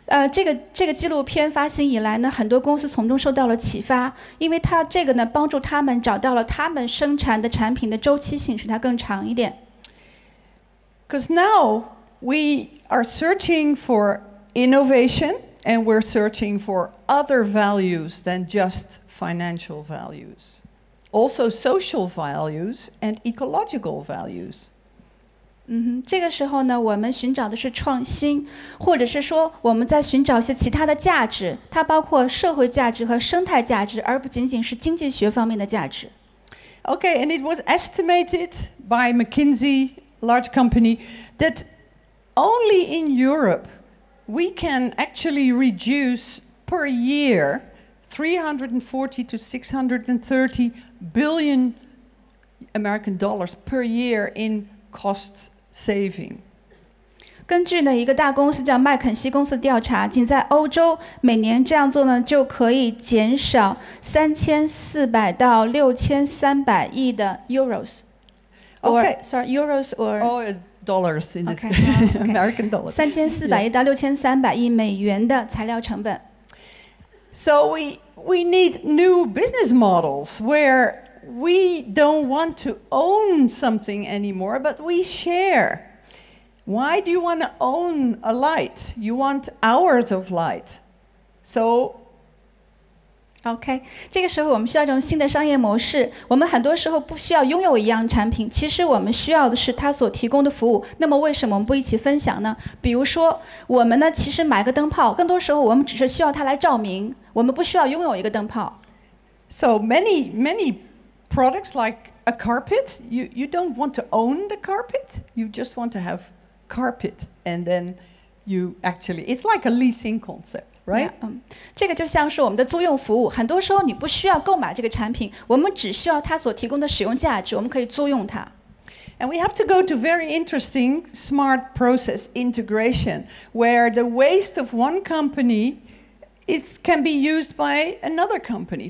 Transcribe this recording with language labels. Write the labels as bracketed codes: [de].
[zh] 这个纪录片发行以来呢，很多公司从中受到了启发，因为它这个呢帮助他们找到了他们生产的产品的周期性，使它更长一点。 [en] Because now we are searching for innovation and we're searching for other values than just financial values, also social values and ecological values. [zh] 这个时候呢，我们寻找的是创新，或者是说我们在寻找一些其他的价值，它包括社会价值和生态价值，而不仅仅是经济学方面的价值。 [en] Okay, and it was estimated by McKinsey, large company, that only in Europe we can actually reduce per year 340 to 630 billion American dollars per year in costs. Saving. [zh] 根据呢一个大公司叫麦肯锡公司的调查，仅在欧洲每年这样做呢就可以减少3400到6300亿的 [en] euros. Dollars in American dollars. [zh] 3400亿到6300亿美元的材料成本。 [en] So we need new business models where we don't want to own something anymore, but we share. Why do you want to own a light? You want hours of light. So, [zh] OK, 这个时候我们需要一种新的商业模式。我们很多时候不需要拥有一样产品，其实我们需要的是它所提供的服务。那么为什么我们不一起分享呢？比如说，我们呢，其实买个灯泡，更多时候我们只是需要它来照明，我们不需要拥有一个灯泡。 [en] So many, many products like a carpet, you don't want to own the carpet, you just want to have carpet, and then you actually, it's like a leasing concept. Right. [zh] 这个就像是我们的租用服务。很多时候你不需要购买这个产品，我们只需要它所提供的使用价值，我们可以租用它。 [en] And we have to go to very interesting smart process integration, where the waste of one company can be used by another company.